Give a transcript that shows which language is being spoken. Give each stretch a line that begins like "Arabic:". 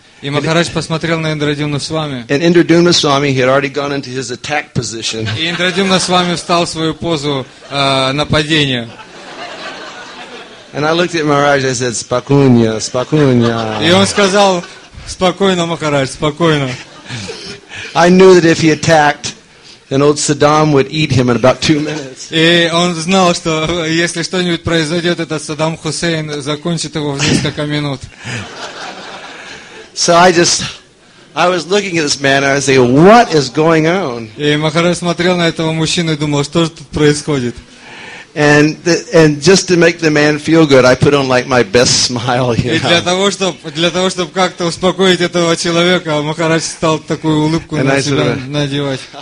Russian: И Махарадж посмотрел на Индрадюмну Свами.
English: And Indradyumna Swami had already gone into his attack position.
Russian: И Индрадюмна Свами встал в свою позу нападения.
English: And I looked at Maharaj. I said,
Russian: "Спокойно, спокойно." И он сказал: "Спокойно, Махарадж, спокойно."
English: I knew that if he attacked, then old Saddam would eat him in about 2 minutes.
Russian: И он знал, что если что-нибудь произойдет, этот Саддам Хусейн закончит его в несколько минут.
English: So I was looking at this man and I was thinking, what is going on?
Russian: И Махарадж смотрел на этого мужчину и думал, что же тут происходит?
English: And just to make the man feel good, I put on like my best smile. You know?
Russian: И для того чтобы как-то успокоить этого человека, Махарадж стал такую улыбку на себя надевать.